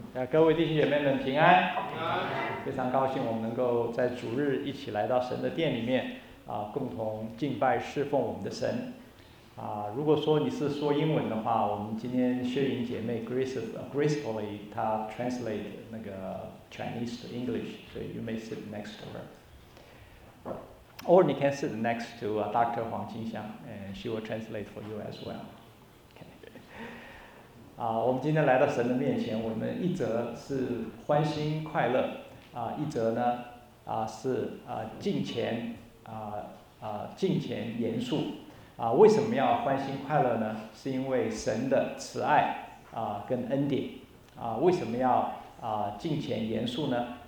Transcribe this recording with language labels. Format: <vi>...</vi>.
<zh>各位弟兄姐妹们平安，平安。非常高兴我们能够在主日一起来到神的殿里面啊，共同敬拜侍奉我们的神啊。如果说你是说英文的话，我们今天薛莹姐妹</zh> <en>gracefully 她 translate 那个 Chinese to English， 所以 you may sit next to her， or you can sit next to Dr. 黄金香 and she will translate for you as well。</en> <zh>啊，我们今天来到神的面前，我们一则是欢欣快乐，啊，一则呢，啊是啊敬虔，啊敬虔严肃，啊为什么要欢欣快乐呢？是因为神的慈爱啊跟恩典，啊为什么要啊敬虔严肃呢？</zh>